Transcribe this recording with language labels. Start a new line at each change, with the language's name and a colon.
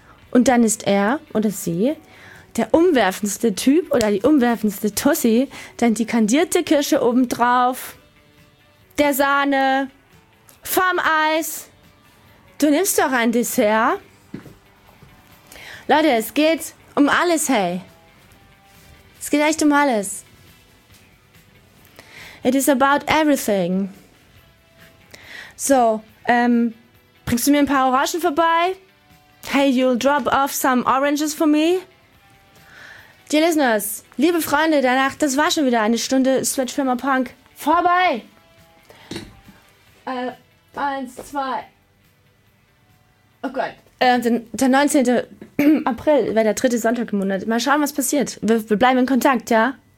German: Und dann ist er oder sie der umwerfendste Typ oder die umwerfendste Tussi, denn die kandierte Kirsche obendrauf, der Sahne, vom Eis, du nimmst doch ein Dessert. Leute, es geht um alles, hey. Es geht echt um alles.
English: It is about everything.
German: So, bringst du mir ein paar Orangen vorbei?
English: Hey, you'll drop off some oranges for me? Dear listeners,
German: liebe Freunde der Nacht, das war schon wieder eine Stunde Switch Firma Punk. Vorbei! 1, 2. Oh Gott. Der 19. April wäre der dritte Sonntag im Monat. Mal schauen, was passiert. Wir bleiben in Kontakt, ja?